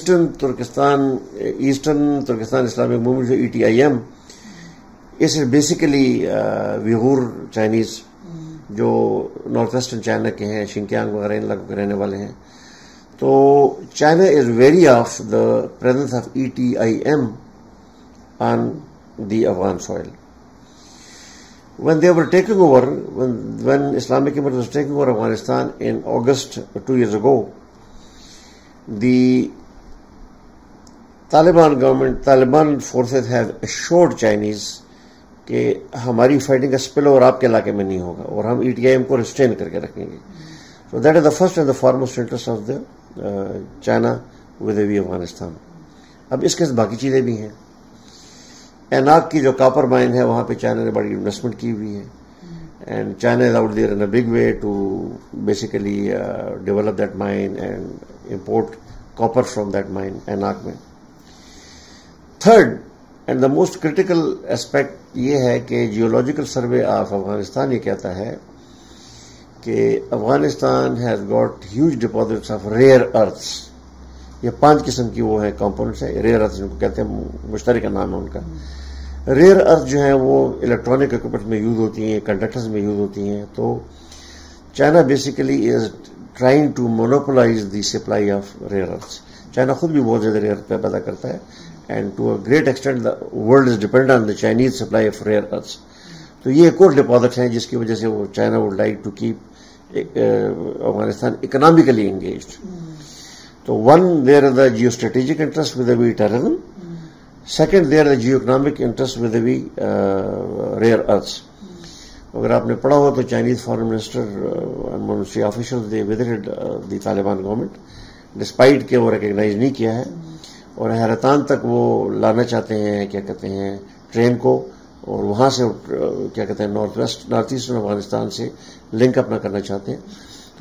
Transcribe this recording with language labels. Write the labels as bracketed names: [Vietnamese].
[Urdu] Eastern Turkestan Islamic movement جو E T I am, [English] is is basically [Urdu] ویغور Chinese جو north western China کے ہیں, شنکیانگ وغیرہ ان علاقوں کے رہنے والے ہیں. [English] تو China is wary of the presence of E T I M on the Afghan soil. When they were taking over, when Islamic emirate was taking over Afghanistan in August 2 years ago, the Taliban government, Taliban forces have assured Chinese [Urdu] کہ ہماری fighting کا spell اور آپ کے علاقے میں نہیں ہوگا اور ہم ای ٹی آئی ایم کو ریسٹرین کر کے رکھیں گے. [English] So that is the first and the foremost interest of the China with we Afghanistan. [Urdu] اب اس کے ساتھ باقی چیزیں بھی ہیں. ایناک کی جو کاپر مائن ہے وہاں پہ چائنا نے بڑی انویسٹمنٹ کی ہوئی ہے, [English] And China is out there in a big way to basically develop that mine and import copper from that mine Aynak میں. Third and the most critical aspect [Urdu] یہ ہے کہ [English] geological survey of Afghanistan [Urdu] یہ کہتا ہے کہ [English] Afghanistan has got huge deposits of rare earths. [Urdu] یہ پانچ قسم کی وہ ہیں کمپوننٹس ہیں ریئر ارتھ, جن کو کہتے ہیں مشترکہ نام ہے ان کا. ریئر ارتھ جو ہیں وہ الیکٹرانک اکوپمنٹ میں یوز ہوتی ہیں, کنڈکٹرز میں یوز ہوتی ہیں. [English] تو China basically is trying to monopolize the supply of rare earths. [Urdu] China خود بھی بہت زیادہ ریئر ارتھ پیدا کرتا ہے, [English] and to a great extent the world is dependent on the Chinese supply of rare earths. So [Urdu] ye ek aur deposit hai jiski wajah se [English] China would like to keep Afghanistan economically engaged. So one, there is the geostrategic interest with the terrorism. Second, there is the geoeconomic interest with the rare earths. [Urdu] Agar aapne padha ho to [English] Chinese foreign minister and ministry officials, they visited the Taliban government [Urdu] despite ke wo recognize nahi kiya hai, اور حیرتان تک وہ لانا چاہتے ہیں کیا کہتے ہیں train کو, اور وہاں سے کیا کہتے ہیں north west north eastern Afghanistan سے لنک اپنا کرنا چاہتے ہیں. تو